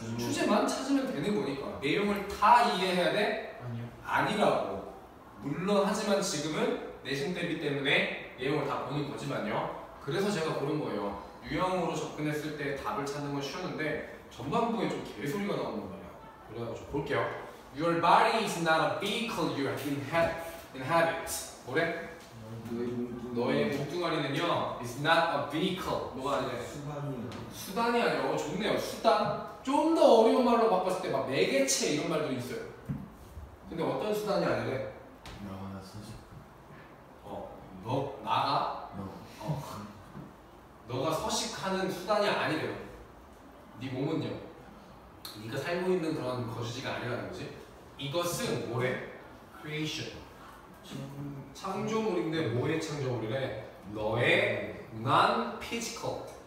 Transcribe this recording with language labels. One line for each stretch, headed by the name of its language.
Korean: 주제만 찾으면 되는 거니까. 내용을 다 이해해야 돼? 아니라고. 물론 하지만 지금은 내신 대비 때문에 내용을 다 보는 거지만요. 그래서 제가 고른 거예요. 유형으로 접근했을 때 답을 찾는 건 쉬웠는데 전반부에 좀 개소리가 나오는 거예요. 그래가지고 볼게요.
English: Your body is not a vehicle you inhabit.
Korean: 뭐래? 너의 몸뚱아리는요,
English: is not a vehicle.
Korean: 뭐가 아니래? 수단이 아니라, 좋네요. 수단. 좀더 어려운 말로 바꿨을 때, 막 매개체 이런 말도 있어요. 근데 어떤 수단이 아니래? 나가나 서식. 너, 나가? 너가 서식하는 수단이 아니래요. 네 몸은요, 네가 살고 있는 그런 거주지가 아니라는 거지. 이것은 뭐래? creation. 창조물인데 뭐의 창조물이래? 너의
English: non physical.